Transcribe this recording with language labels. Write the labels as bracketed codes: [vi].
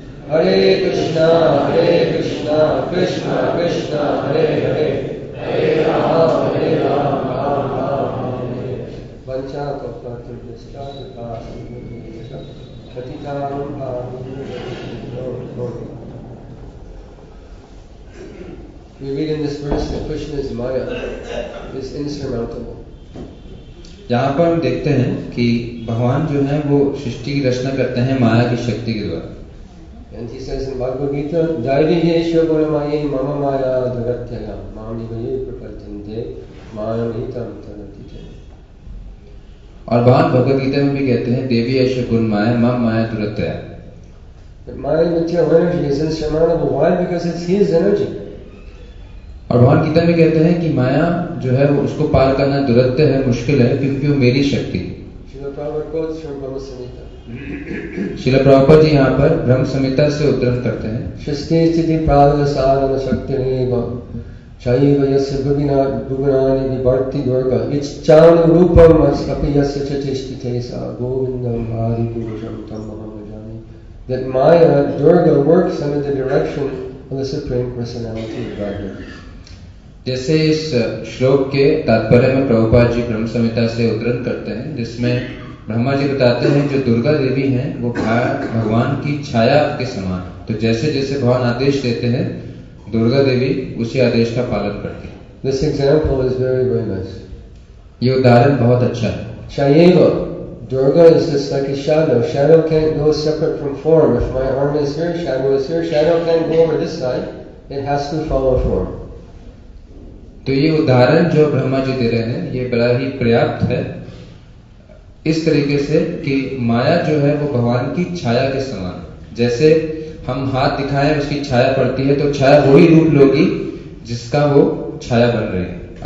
[sa] हरे कृष्ण कृष्ण कृष्ण हरे हरे हरे राम हरे Ram Ram Ram Hare Hare. [en] वंचा कपत्रो We read in this verse that Krishna's Maya is insurmountable. [hi] यहाँ पर हम देखते हैं कि भगवान जो है वो सृष्टि की रचना करते हैं माया की शक्ति के द्वारा। [en] And he says in Bhagavad Gita, [sa] "Daivyesha Gunamaye Mama Maya Dharatyaya Mami Vaye Prapatyante Maya Mitam Tanatite." [hi] और भगवान भगवद गीता में भी कहते हैं [sa] देवीयश गुण माया मम माया दुरत्य। [en] But my material energy is insurmountable. Why? Because it's his energy. [hi] और भगवान गीता में कहते हैं कि माया जो है वो उसको पार करना दुरत्य है, मुश्किल है, क्योंकि वो मेरी शक्ति। श्रील प्रभुपाद जी यहाँ पर ब्रह्म संहिता से उद्धरण करते हैं, [sa] सृष्टि स्थिति प्रलय साधना शक्ति चैव यस्य भुवनानि विभर्ति दुर्गा इच्छानु रूपम् अपि यस्य चेष्टिते सा गोविन्दम् आदि पुरुषम् तम् अहम् जाने। [en] That Maya Durga works under the direction of the supreme personality of God. [hi] जैसे इस श्लोक के तात्पर्य में प्रभुपाद जी ब्रह्म संहिता से उद्धरण करते हैं, जिसमें ब्रह्मा जी बताते हैं जो दुर्गा देवी हैं वो भगवान की छाया के समान, तो जैसे जैसे भगवान आदेश देते हैं दुर्गा देवी उसी आदेश का पालन करती है। [en] This example is very, very nice. [hi] ये उदाहरण बहुत अच्छा है। चाहिए वो Durga [en] is just like a shadow. Shadow can't go separate from form. If my arm is here, shadow is here. Shadow can't go over this side. It has to follow form. [hi] तो ये उदाहरण जो ब्रह्मा जी दे रहे हैं ये बड़ा ही पर्याप्त है इस तरीके से कि माया जो है वो भगवान की छाया के समान, जैसे हम हाथ दिखाएं उसकी छाया पड़ती है तो छाया वही रूप लोगी जिसका वो छाया बन रही है।